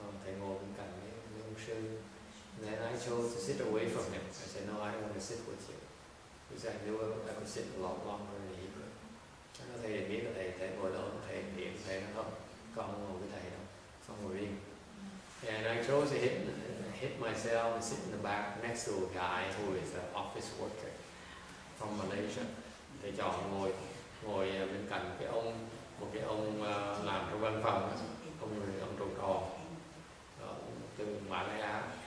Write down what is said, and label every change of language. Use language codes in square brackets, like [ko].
[vi] Thầy ngồi bên cạnh mấy ông sư. [en] And then I chose to sit away from him. I said, no, I don't want to sit with you. Because I knew I would sit a lot longer than he could. [vi] Cho nên thầy biết là thầy ngồi đó, thầy niệm, thầy nói không, con ngồi với thầy đâu, con ngồi riêng. [en] And I chose to hit myself and sit in the back next to a guy who is an office worker from Malaysia. [vi] Thầy chọn ngồi bên cạnh cái ông. Một cái ông làm trong văn phòng, ông người ông trầu tròn từ Mã Lai Á.